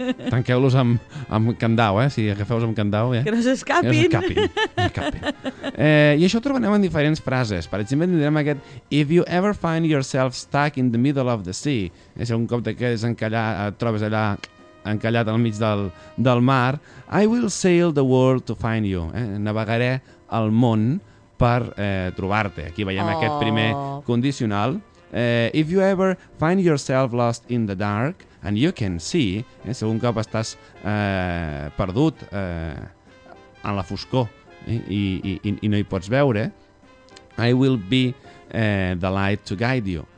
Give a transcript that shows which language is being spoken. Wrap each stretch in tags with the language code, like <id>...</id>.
<ca>Tanqueu-los amb candau, si agafeu-los amb candau. Que no s'escapin. I això ho trobarem en diferents frases. Per exemple, tindrem aquest</ca> <en>If you ever find yourself stuck in the middle of the sea.</en> <ca>Si algun cop t'aquests encallat, et trobes allà encallat al mig del mar.</ca> <en>I will sail the world to find you.</en> <ca>Navegaré el món per trobar-te. Aquí veiem aquest primer condicional.</ca> <en>If you ever find yourself lost in the dark and you can see,</en> <ca>si un cop estàs perdut en la foscor i no hi pots veure,</ca> <en>I will be the light to guide you.</en>